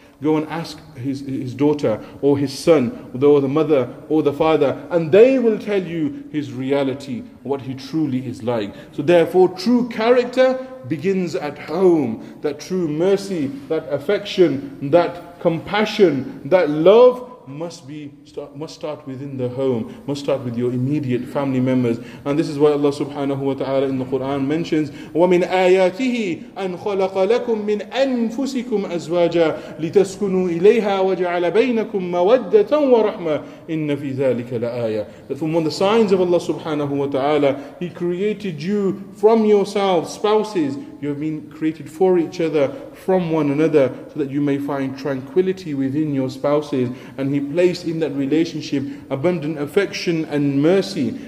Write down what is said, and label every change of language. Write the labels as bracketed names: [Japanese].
[English] Go and ask his daughter or his son or the mother or the father, and they will tell you his reality, what he truly is like. So therefore, true character begins at home. That true mercy, that affection, that compassion, that love must start within the home, must start with your immediate family members. And this is why Allah subhanahu wa ta'ala in the Quran mentions, [Arabic] وَمِنْ آيَاتِهِ أَنْ خَلَقَ لَكُمْ مِنْ أَنفُسِكُمْ أَزْوَاجًا لِتَسْكُنُوا إِلَيْهَا وَجَعَلَ بَيْنَكُمْ مَوَدَّةً وَرَحْمَةً إِنَّ فِي ذَلِكَ لَآيَةً. [English] That from one of the signs of Allah subhanahu wa ta'ala, He created you from yourself, spouses. You have been created for each other, from one another, so that you may find tranquility within your spouses. And He placed in that relationship abundant affection and mercy.